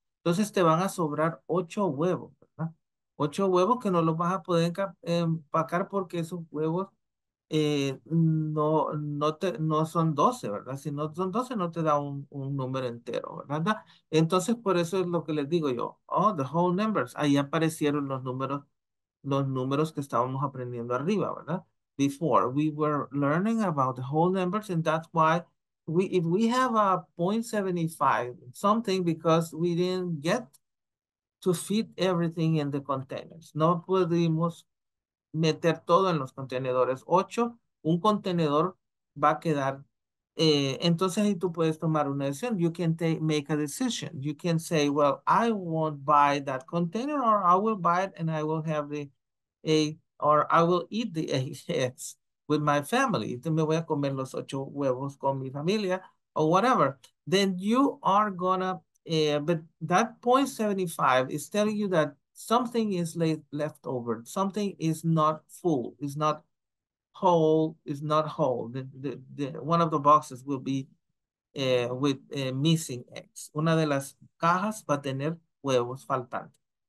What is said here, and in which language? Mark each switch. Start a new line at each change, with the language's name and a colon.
Spanish: Entonces te van a sobrar 8 huevos, ¿verdad? 8 huevos que no los vas a poder empacar porque esos huevos no son 12, ¿verdad? Si no son 12, no te da un número entero, ¿verdad? Entonces, por eso es lo que les digo yo.
English: Oh, the whole numbers.
Spanish: Ahí aparecieron los números que estábamos aprendiendo arriba, ¿verdad?
English: Before, we were learning about the whole numbers, and that's why if we have a 0.75 something, because we didn't get to fit everything in the containers.
Spanish: No pudimos meter todo en los contenedores. 8, un contenedor va a quedar. Entonces ahí tú puedes tomar una decisión.
English: You can make a decision. You can say, well, I won't buy that container, or I will buy it and I will have the egg, or I will eat the eggs with my family.
Spanish: Entonces me voy a comer los 8 huevos con mi familia,
English: or whatever. Then you are gonna, but that 0.75 is telling you that something is left over. Something is not full. It's not whole. It's not whole. The one of the boxes will be with missing eggs.
Spanish: Una de las cajas va a tener huevos faltantes.